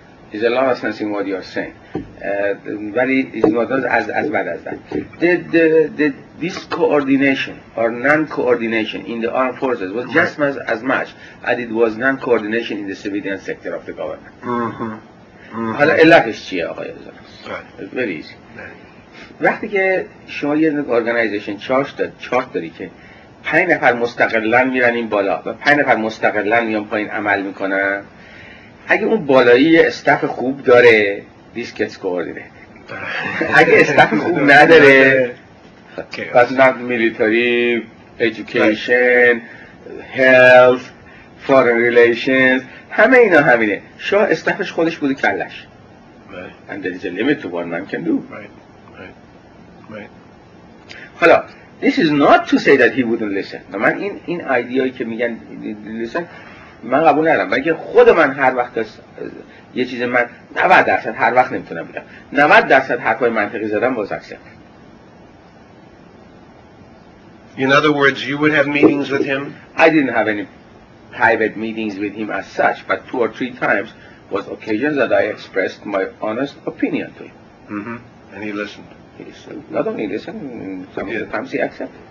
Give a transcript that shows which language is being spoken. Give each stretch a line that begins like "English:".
English: There's a lot of sense in what you're saying. But it's not as bad as that. The discoordination or non-coordination in the armed forces was just as much as it was non-coordination in the civilian sector of the government. Mm-hmm.
Persian: حالا علتش چیه آقای ازان؟ بریز وقتی که شما یه ارگانیزیشن چارت داری که 5 نفر مستقلن میرن این بالا و 5 نفر مستقلن میان پایین عمل میکنن، اگه اون بالایی استاف خوب داره دیس گتس کوردینیت، اگه استاف خوب نداره پس نه میلیتری، ایژوکیشن، هلت، فارن ریلیشنز، همه اینا همینه. شاه استفش خودش بوده کلش.
English: Right. And there is a limit to what man can do. Right. حالا this is not to say that he wouldn't listen.
Persian: من این ایدیایی که میگن listen من قبول ندارم. بلکه خود من هر وقت یه چیز من 90% هر وقت نمیتونم بگم. 90% حرفای منطقی زدم باز اکسپت.
English: In other words, you would have meetings with him? I didn't have any private meetings with him as such, but 2 or 3 times was occasions that I expressed my honest opinion to him. Mm-hmm. And he listened. He said, not only listened, some of the times he accepted.